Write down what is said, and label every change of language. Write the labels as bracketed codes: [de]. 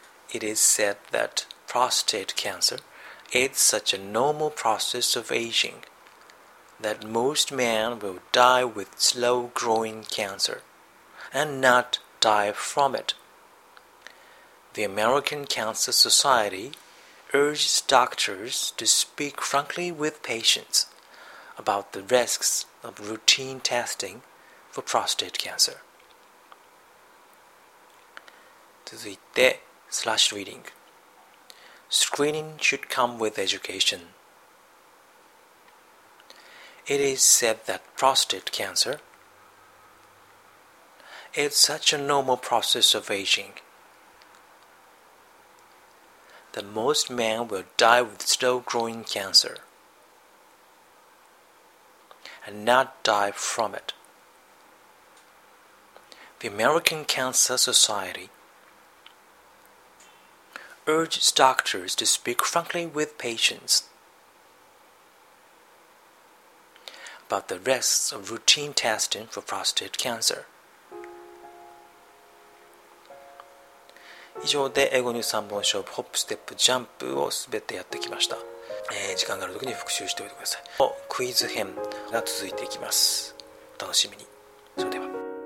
[en] It is said that prostate cancer is such a normal process of aging that most men will die with slow growing cancerand not die from it. The American Cancer Society urges doctors to speak frankly with patients about the risks of routine testing for prostate cancer. [ja] 続いて、スラッシュリーディング。 [en] Screening should come with education. It is said that prostate cancerIt's such a normal process of aging that most men will die with slow-growing cancer and not die from it. The American Cancer Society urges doctors to speak frankly with patients about the risks of routine testing for prostate cancer. [ja] 以上で英語ニュース3本勝負ホップステップジャンプを全てやってきました。時間がある時に復習しておいてください。クイズ編が続いていきます。お楽しみに。それでは。